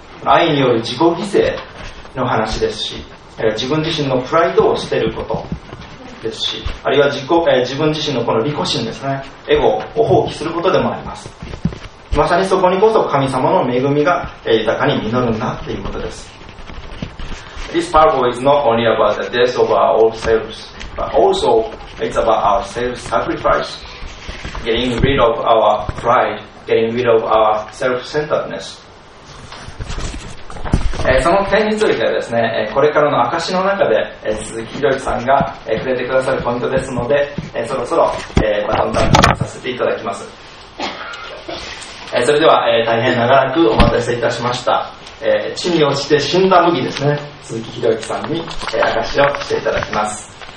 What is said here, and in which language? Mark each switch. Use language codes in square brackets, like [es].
[ja] 愛による自己犠牲の話ですし、自分自身のプライドを捨てることですし、あるいは自分自身のこの利己心ですね、エゴを放棄することでもあります。まさにそこにこそ神様の恵みが豊かに実るんだということです。 [en] This parable is not only about the death of our old selves, but also it's about our self-sacrifice, getting rid of our pride, getting rid of our self-centeredness。 [ja] その点についてはですね、これからの証の中で鈴木ひろゆきさんが触れてくださるポイントですので、そろそろバトンタッチさせていただきます。それでは大変長らくお待たせいたしました。地に落ちて死んだ麦ですね、鈴木ひろゆきさんに証をしていただきます。